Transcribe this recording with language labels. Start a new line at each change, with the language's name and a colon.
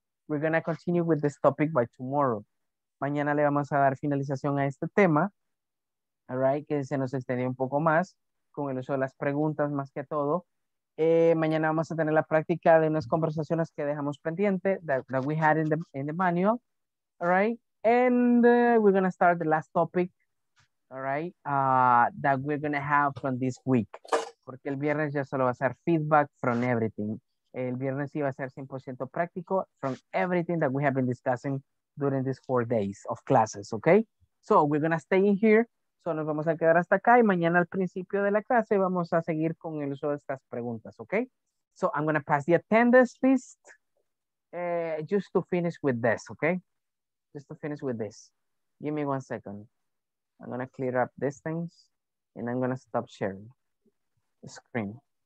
English: We're going to continue with this topic by tomorrow.
Spanish: Mañana le vamos a dar finalización a este tema, all right, que se nos extendió un poco más, con el uso de las preguntas más que todo. Mañana vamos a tener la práctica de unas conversaciones que dejamos pendiente,
English: that we had in the manual,
Spanish: all right?
English: And we're going to start the last topic, all right, that we're going to have from this week.
Spanish: Porque el viernes ya solo va a ser
English: feedback from everything.
Spanish: El viernes sí va a ser 100% práctico
English: from everything that we have been discussing during these 4 days of classes, okay? So we're going to stay in here.
Spanish: So nos vamos a quedar hasta acá y mañana al principio de la clase vamos a seguir con el uso de estas preguntas, okay?
English: So I'm going to pass the attendance list just to finish with this, okay? Just to finish with this. Give me 1 second. I'm going to clear up these things and I'm going to stop sharing the screen.